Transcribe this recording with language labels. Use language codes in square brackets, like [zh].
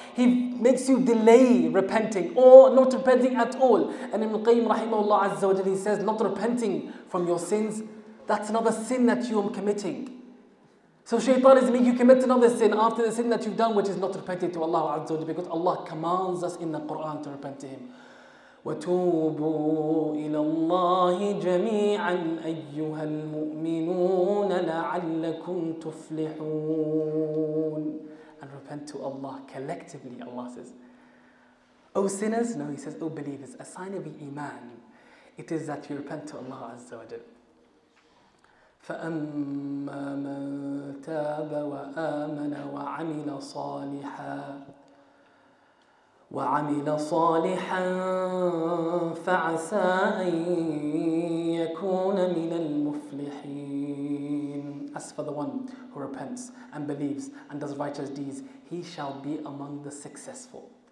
[en] He makes you delay repenting or not repenting at all. And Ibn Qayyim rahimahullah azza wa jalla, he says, not repenting from your sins, that's another sin that you are committing. So shaitan is making you commit another sin after the sin that you've done, which is not repenting to Allah azza wa jalla, because Allah commands us in the Quran to repent to Him. [ar] وَتُوبُوا إِلَى اللَّهِ جَمِيعًا أَيُّهَا الْمُؤْمِنُونَ لَعَلَّكُمْ تُفْلِحُونَ [en] And repent to Allah collectively, Allah says. O sinners, no, He says, O believers, a sign of iman, it is that you repent to Allah Azza wa Jal. [ar] فَأَمَّا مَن تَابَ وَآمَنَ وَعَمِلَ صَالِحًا وَعَمِلَ صَالِحًا فَعَسَى أَن يَكُونَ مِنَ الْمُفْلِحِينَ [en] As for the one who repents and believes and does righteous deeds, he shall be among the successful.